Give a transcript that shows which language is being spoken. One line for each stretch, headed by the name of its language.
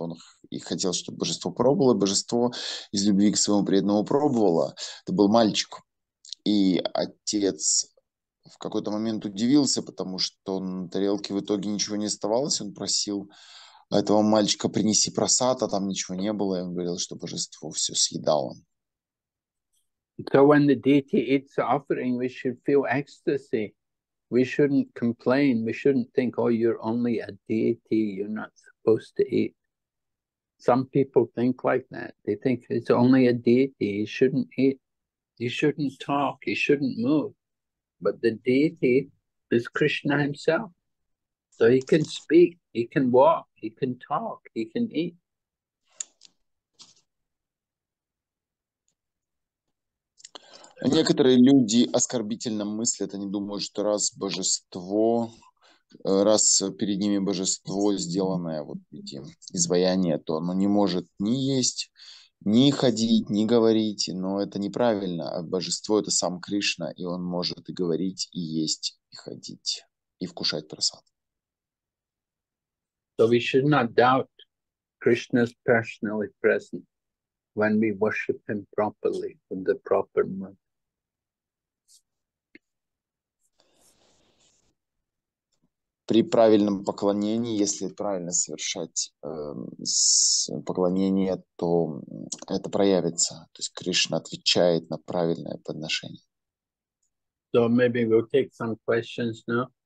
Russian: Он и хотел, чтобы божество пробовало, божество из любви к своему преданному пробовало. Это был мальчик. И отец в какой-то момент удивился, потому что на тарелке в итоге ничего не оставалось. Он просил этого мальчика принеси просад, а там ничего не было. И он говорил, что божество все съедало.
English: So when the deity eats the offering, we should feel ecstasy. We shouldn't complain. We shouldn't think, oh, you're only a deity. You're not supposed to eat. Some people think like that. They think it's only a deity. He shouldn't eat. He shouldn't talk. He shouldn't move. But the deity is Krishna himself. So he can speak. He can walk. He can talk. He can eat.
Russian: Некоторые люди оскорбительно мыслят, они думают, что раз божество, раз перед ними божество, сделанное вот этим изваянием, то оно не может ни есть, ни ходить, ни говорить, но это неправильно. Божество — это сам Кришна, и он может и говорить, и есть, и ходить, и вкушать просад.
English: So we should not doubt Krishna's personally present when we worship him properly in the proper mood.
Russian: При правильном поклонении, если правильно совершать поклонение, то это проявится. То есть Кришна отвечает на правильное подношение.
English: So maybe we'll take some questions now.